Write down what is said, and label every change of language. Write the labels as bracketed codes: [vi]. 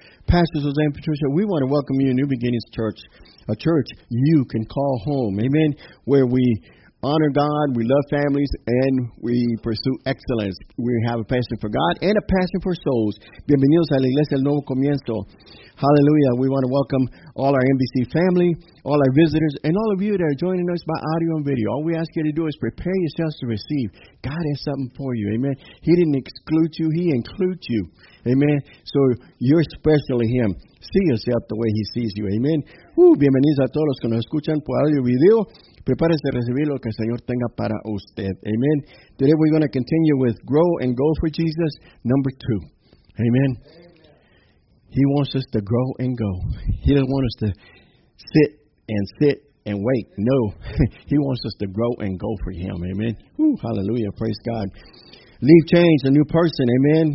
[en] Pastors Jose and Patricia, we want to welcome you to New Beginnings Church, a church you can call home. Amen. Where we honor God, we love families, and we pursue excellence. We have a passion for God and a passion for souls. [es] Bienvenidos a la Iglesia del Nuevo Comienzo. [en] Hallelujah. We want to welcome all our NBC family, all our visitors, and all of you that are joining us by audio and video. All we ask you to do is prepare yourselves to receive. God has something for you. Amen. He didn't exclude you. He includes you. Amen. So you're special to Him. See yourself the way He sees you. Amen. [es] Bienvenidos a todos los que nos escuchan por audio y video. Prepárese a recibir lo que el Señor tenga para usted. [en] Amen. Today we're going to continue with Grow and Go for Jesus, number 2. Amen. He wants us to grow and go. He doesn't want us to sit and wait. No. He wants us to grow and go for Him. Amen. Hallelujah. Praise God. Leave change, a new person. Amen.